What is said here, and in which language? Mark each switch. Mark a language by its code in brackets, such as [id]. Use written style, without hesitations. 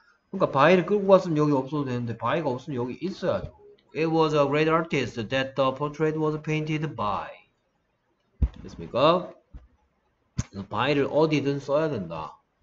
[ko] 그러니까 바이를 끌고 갔으면 여기 없어도 되는데 바이가 없으면 여기 있어야죠. [en] It was a great artist that the portrait was painted by. [ko] 됐습니까? 바이를 어디든 써야 된다.